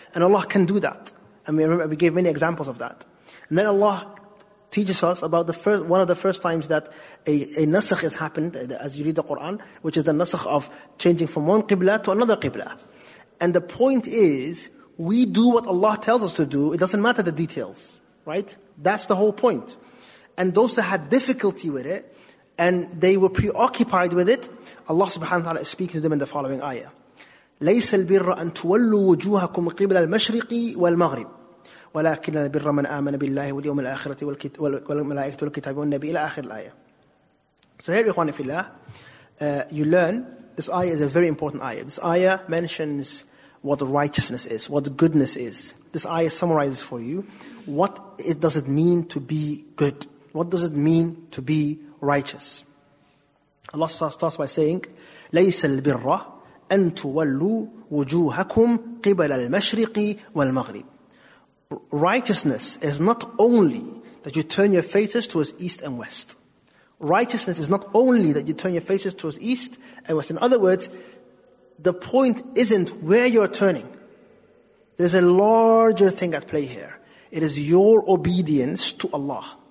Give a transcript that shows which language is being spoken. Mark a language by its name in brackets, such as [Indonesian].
[English] And Allah can do that. And we remember we gave many examples of that. And then Allah teaches us about the first, one of the first times that a nasakh has happened, as you read the Quran, which is the nasakh of changing from one qibla to another qibla. And the point is, we do what Allah tells us to do. It doesn't matter the details, right? That's the whole point. And those that had difficulty with it, and they were preoccupied with it, Allah subhanahu wa ta'ala is speaking to them in the following ayah. [Arabic] لَيْسَ الْبِرَّ أَن تُوَلُّوا وُجُوهَكُمْ قِبْلَ الْمَشْرِقِ وَالْمَغْرِبِ ولكن البر من آمن بالله واليوم الآخرة والملائكة والكتاب والنبي إلى آخر الآية. [English] So here, [Arabic] إخواني في الله, [English] you learn this ayah is a very important ayah. This ayah mentions what righteousness is, what goodness is. This ayah summarizes for you what it does it mean to be good. What does it mean to be righteous? Allah starts by saying, [Arabic] ليس البر أن تولوا وجوهكم قبل المشرق والمغرب. [English] Righteousness is not only that you turn your faces towards east and west. Righteousness is not only that you turn your faces towards east and west. In other words, the point isn't where you're turning. There's a larger thing at play here. It is your obedience to Allah.